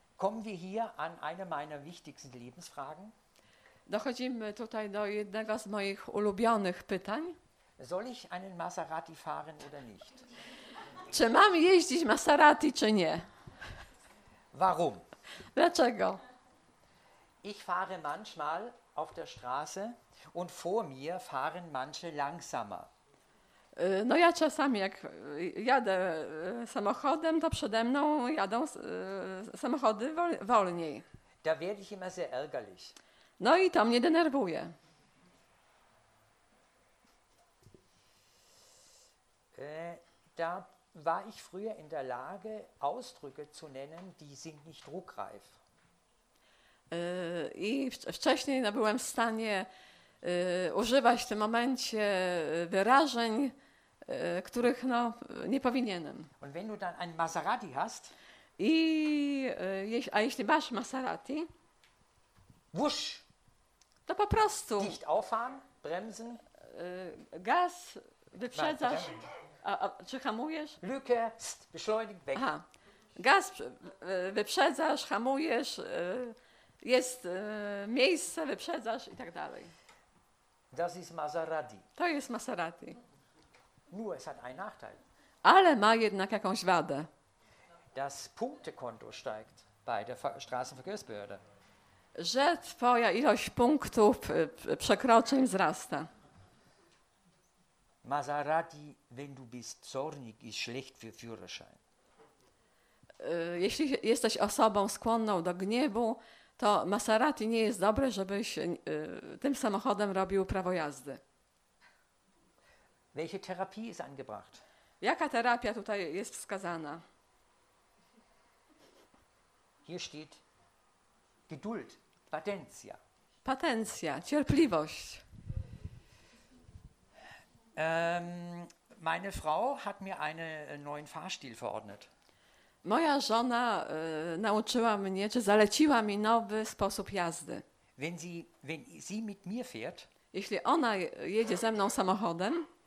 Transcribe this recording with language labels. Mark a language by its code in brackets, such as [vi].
[de] Kommen wir hier an eine meiner wichtigsten Lebensfragen? [pl] Dochodzimy tutaj do jednego z moich ulubionych pytań. [de] Soll ich einen Maserati fahren oder nicht? [pl] Czy mam jeździć Maserati, czy nie? [de] Warum? [pl] Dlaczego? [de] Ich fahre manchmal auf der Straße und vor mir fahren manche langsamer. [pl] No ja czasami, jak jadę samochodem, to przede mną jadą samochody wolniej. [de] Da werde ich immer sehr ärgerlich. [pl] No i to mnie denerwuje. [de] Da war ich früher in der Lage, Ausdrücke zu nennen, die sind nicht druckreif. [pl] I wcześniej no, byłem w stanie używać w tym momencie wyrażeń, których no, nie powinienem. [de] Und wenn du dann ein Maserati hast, [pl] i a jeśli masz Maserati, wusz! To po prostu. [de] Dicht auffahren, bremsen. [pl] Gaz, wyprzedzasz. Czy hamujesz? [de] Lücke, pst, beschleunigt, weg. Aha. [pl] Gaz, wyprzedzasz, hamujesz, jest miejsce, wyprzedzasz i tak dalej. [de] Das ist Maserati. [pl] To jest Maserati. [de] Nur es hat einen Nachteil. [pl] Ale ma jednak jakąś wadę. [de] Das Punktekonto steigt bei der Straßenverkehrsbehörde. [pl] Że twoja ilość punktów przekroczeń wzrasta. [de] Maserati, wenn du bist zornig, ist schlecht für Führerschein. [pl] Jeśli jesteś osobą skłonną do gniewu, to Maserati nie jest dobre, żebyś tym samochodem robił prawo jazdy. [de] Welche Therapie ist angebracht? [pl] Jaka terapia tutaj jest wskazana? [de] Hier steht Geduld. Patencja. [pl] Patencja, cierpliwość. [de] Meine Frau hat mir einen neuen Fahrstil verordnet. [pl] Moja żona nauczyła mnie, czy zaleciła mi nowy sposób jazdy. [de] Wenn sie mit mir fährt, [pl] jeśli ona jedzie ze mną samochodem,